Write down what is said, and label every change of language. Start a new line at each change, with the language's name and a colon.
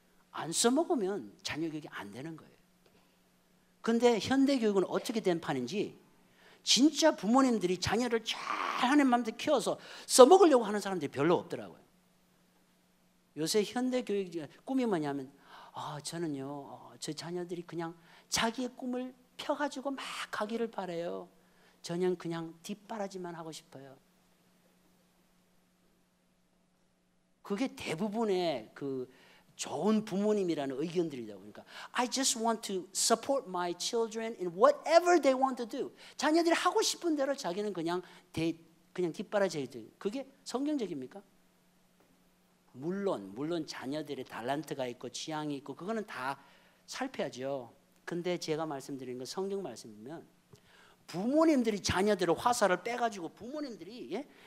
Korean: 안 써먹으면 자녀교육이 안 되는 거예요. 근데 현대교육은 어떻게 된 판인지 진짜 부모님들이 자녀를 잘 하는 마음대로 키워서 써먹으려고 하는 사람들이 별로 없더라고요. 요새 현대교육 꿈이 뭐냐면 저는요 저 자녀들이 그냥 자기의 꿈을 펴가지고 막 가기를 바라요. 저는 그냥 뒷바라지만 하고 싶어요. 그게 대부분의 그 좋은 부모님이라는 의견들이다 보니까
English: I just want to support my children in whatever they want to do.
Korean: 자녀들이 하고 싶은 대로 자기는 그냥 뒷바라지. 그게 성경적입니까? 물론 자녀들의 달란트가 있고 취향이 있고 그거는 다 살펴야죠. 근데 제가 말씀드린 건 성경 말씀이면 부모님들이 자녀들의 화살을 빼가지고 부모님들이 예?